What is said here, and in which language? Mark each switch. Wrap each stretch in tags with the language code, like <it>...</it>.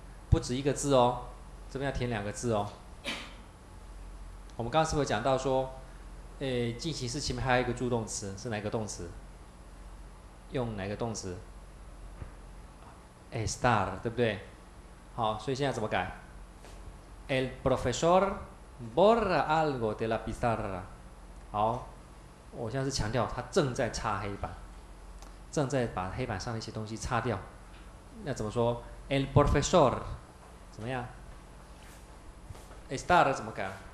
<zh>不止一个字哦，这边要填两个字哦。我们刚刚是不是讲到说，哎，进行式前面还有一个助动词，是哪个动词？用哪个动词 ？estar， 对不对？好，所以现在怎么改 ？</zh> <es>El profesor borra algo de la pizarra。</es> <zh>好，我现在是强调他正在擦黑板，正在把黑板上的一些东西擦掉。那怎么说 ？El profesor 怎么样 ？estar 怎么改？</zh>